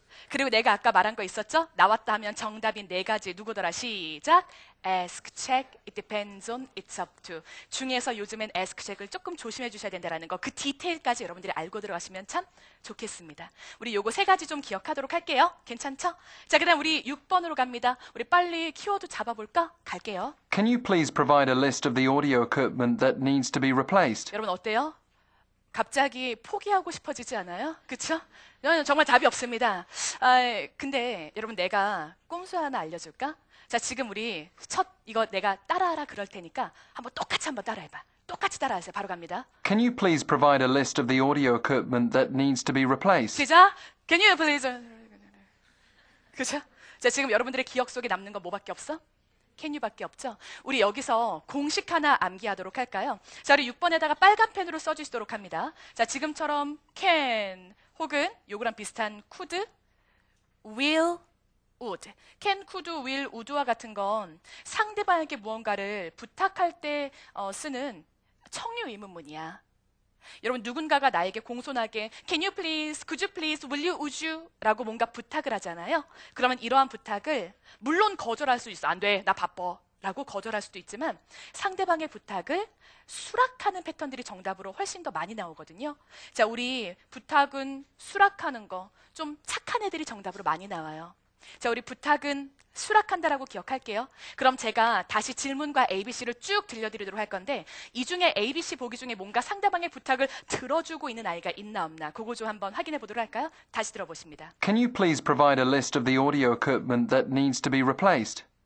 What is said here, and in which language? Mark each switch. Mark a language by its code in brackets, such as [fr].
[ko] 그리고 내가 아까 말한 거 있었죠? 나왔다 하면 정답이 네 가지 누구더라? 시작! [en] Ask, check, it depends on, it's up to. [ko] 중에서 요즘엔 ask, check을 조금 조심해 주셔야 된다는 거 그 디테일까지 여러분들이 알고 들어가시면 참 좋겠습니다. 우리 요거 세 가지 좀 기억하도록 할게요. 괜찮죠? 자, 그 다음 우리 6번으로 갑니다. 우리 빨리 키워드 잡아볼까? 갈게요. [en] Can you please provide a list of the audio equipment that needs to be replaced? [ko] 여러분 어때요? 갑자기 포기하고 싶어지지 않아요? 그렇죠? 정말 답이 없습니다. 아, 근데 여러분 내가 꼼수 하나 알려줄까? 자, 지금 우리 첫 이거 내가 따라하라 그럴 테니까 한번 똑같이 한번 따라해봐. 똑같이 따라하세요. 바로 갑니다. [en] Can you please provide a list of the audio equipment that needs to be replaced? [ko] 시작! [en] Can you please... [ko] 그렇죠? 자, 지금 여러분들의 기억 속에 남는 거 뭐밖에 없어? Can you밖에 없죠? 우리 여기서 공식 하나 암기하도록 할까요? 자, 우리 6번에다가 빨간 펜으로 써주시도록 합니다. 자, 지금처럼 can 혹은 요거랑 비슷한 [en] could, will, would. Can, could, will, would [ko] 와 같은 건 상대방에게 무언가를 부탁할 때 쓰는 청유 의문문이야. 여러분 누군가가 나에게 공손하게 [en] Can you please, could you please, will you, would you? [ko] 라고 뭔가 부탁을 하잖아요. 그러면 이러한 부탁을 물론 거절할 수 있어. 안 돼, 나 바빠. 라고 거절할 수도 있지만 상대방의 부탁을 수락하는 패턴들이 정답으로 훨씬 더 많이 나오거든요. 자, 우리 부탁은 수락하는 거 좀 착한 애들이 정답으로 많이 나와요. 자, 우리 부탁은 수락한다라고 기억할게요. 그럼 제가 다시 질문과 ABC를 쭉 들려드리도록 할 건데 이 중에 ABC 보기 중에 뭔가 상대방의 부탁을 들어주고 있는 아이가 있나 없나 그거 좀 한번 확인해 보도록 할까요? 다시 들어보십니다. [en] Can you please provide a list of the audio equipment that needs to be replaced?